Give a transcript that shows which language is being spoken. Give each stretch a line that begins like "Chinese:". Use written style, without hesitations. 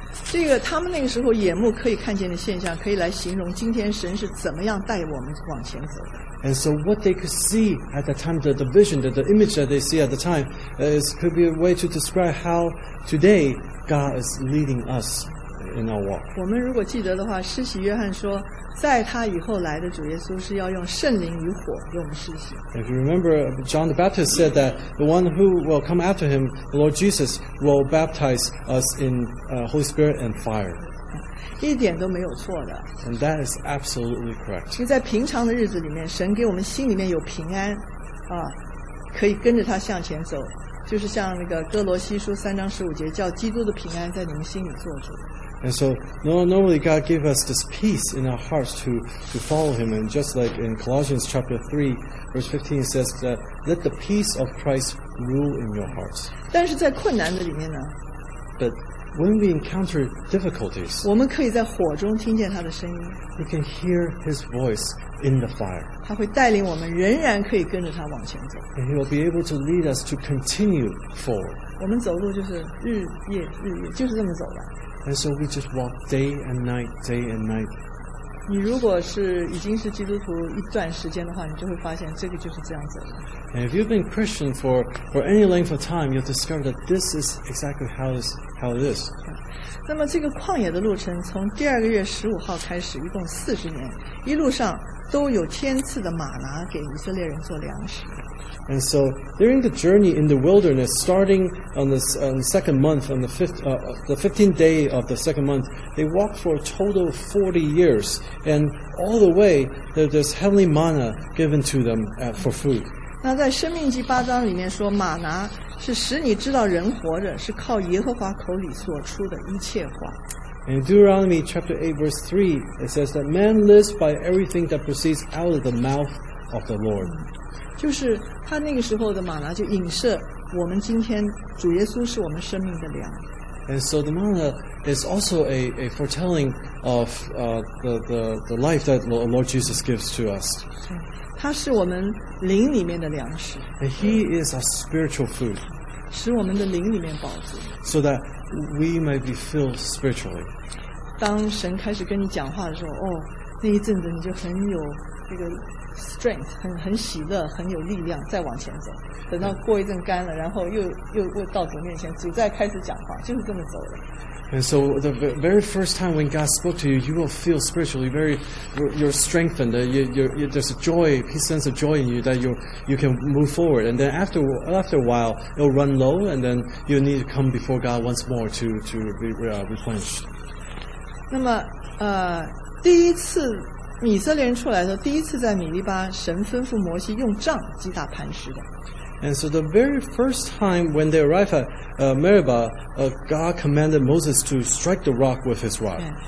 Chinese: 这个他们那个时候眼目可以看见的现象，可以来形容今天神是怎么样带我们往前走的。
English: And so what they could see at the time, the vision, the image that they see at the time, is could be a way to describe how today God is leading us in our walk.
Chinese: 我们如果记得的话，施洗约翰说，在他以后来的主耶稣是要用圣灵与火给我们施洗。
English: If you remember, John the Baptist said that the one who will come after him, the Lord Jesus, will baptize us in Holy Spirit and fire.
Chinese: 一点都没有错的。
English: And that is absolutely correct.
Chinese: 因为在平常的日子里面，神给我们心里面有平安，可以跟着他向前走，就是像那个哥罗西书三章十五节，叫基督的平安在你们心里做主。
English: And so normally God gives us this peace in our hearts to follow him. And just like in Colossians chapter 3, verse 15, it says that let the peace of Christ rule in your hearts.
Chinese: 但是在困难的里面呢,
English: But when we encounter difficulties,
Chinese: 我们可以在火中听见他的声音,
English: we can hear his voice in the fire.
Chinese: 他会带领我们仍然可以跟着他往前走。
English: And he will be able to lead us to continue forward.
Chinese: 我们走路就是日夜日夜就是这么走的。
English: And so we just walk day and night, day and night.
Chinese: 你如果是已经是基督徒一段时间的话，你就会发现这个就是这样子的。
English: And if you've been Christian for any length of time, you'll discover that this is exactly how it is.
Chinese: 那么这个旷野的路程从第二个月十五号开始，一共四十年，一路上都有天赐的玛拿给以色列人做粮食。
English: And so during the journey in the wilderness, starting on the second month, on the 15th day of the second month, they walked for a total of 40 years. And all the way, there's heavenly manna given to them for food.
Chinese: 那在《生命记》八章里面说，玛拿是使你知道人活着是靠耶和华口里所出的一切话。
English: In Deuteronomy chapter 8 verse 3, it says that man lives by everything that proceeds out of the mouth of the Lord.
Chinese: 就是他那个时候的玛拿就影射我们今天主耶稣是我们生命的粮。
English: And so the manna is also a foretelling of the life that the Lord Jesus gives to us.
Chinese: 他是我们灵里面的粮食。
English: And he is our spiritual food.
Chinese: 使我们的灵里面饱足。
English: So that we might be filled spiritually.
Chinese: 当神开始跟你讲话的时候，哦，那一阵子你就很有这个strength, 很喜乐，很有力量，再往前走。等到过一阵干了，然后又到主面前，主再开始讲话，就是这么走的。
English: And so the very first time when God spoke to you, you will feel spiritually very, you're strengthened. There's a joy, He sends a joy in you that you can move forward. And then after a while, it'll run low, and then you need to come before God once more to be replenished.
Chinese: 那么，第一次。以色列人出来的时候，第一次在米利巴，神吩咐摩西用杖击打磐石的。
English: And so the very first time when they arrived at Meribah, God commanded Moses to strike the rock with his rod.